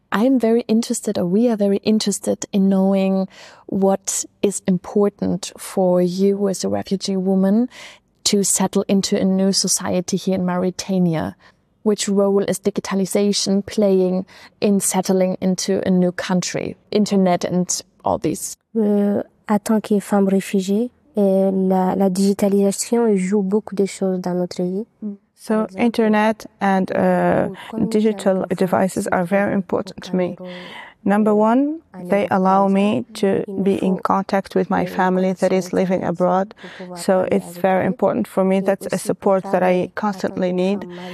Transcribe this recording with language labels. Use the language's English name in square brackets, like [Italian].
[English] I'm very interested, or we are very interested, in knowing what is important for you as a refugee woman to settle into a new society here in Mauritania. Which role is digitalization playing in settling into a new country? Internet and all these. [French] En tant que femme réfugiée, la digitalisation joue beaucoup de choses dans notre vie. [English] So internet and digital devices are very important to me. Number one, they allow me to be in contact with my family that is living abroad. So it's very important for me. That's a support that I constantly need.